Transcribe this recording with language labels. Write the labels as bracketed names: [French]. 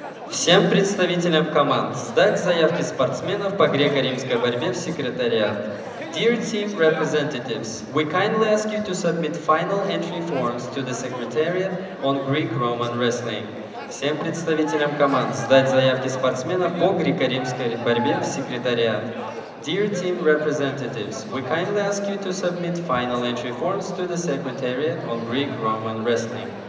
[Russian] Всем представителям команд сдать заявки спортсменов по греко-римской борьбе в секретариат. [English] Dear team representatives, we kindly ask you to submit final entry forms to the secretariat on Greek-Roman wrestling. [Russian] Всем представителям команд сдать заявки спортсменов по греко-римской борьбе в секретариат. [English] Dear team representatives, we kindly ask you to submit final entry forms to the secretariat on Greek-Roman wrestling.